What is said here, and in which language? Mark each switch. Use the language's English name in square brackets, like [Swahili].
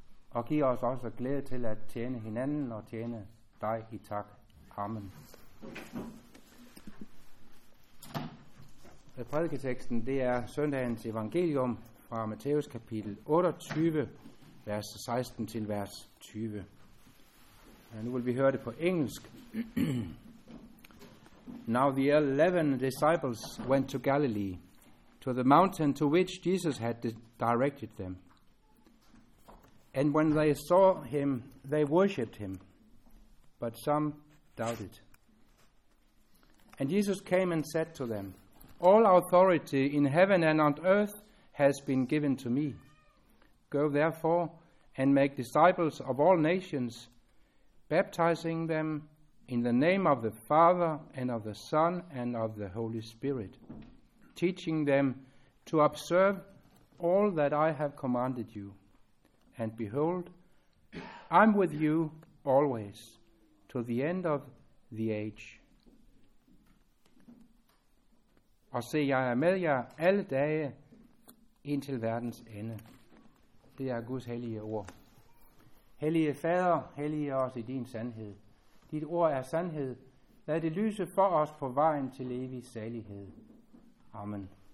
[Danish] Og giv os også glæde til at tjene hinanden og tjene dig i tak. Amen. Prædiketeksten, det er søndagens evangelium fra Matthæus kapitel 28, vers 16 til vers 20. Nu vil vi høre det på engelsk. [English] Now the 11 disciples went to Galilee, to the mountain to which Jesus had directed them. And when they saw him, they worshipped him, but some doubted. And Jesus came and said to them, All authority in heaven and on earth has been given to me. Go therefore and make disciples of all nations, baptizing them in the name of the Father and of the Son and of the Holy Spirit, teaching them to observe all that I have commanded you. And behold, I'm with you always, to the end of the age. [Danish] Og se, jeg er med jer alle dage indtil verdens ende. Det er Guds hellige ord. Hellige Fader, hellige os i din sandhed. Dit ord er sandhed. Lad det lyse for os på vejen til evig salighed. Amen.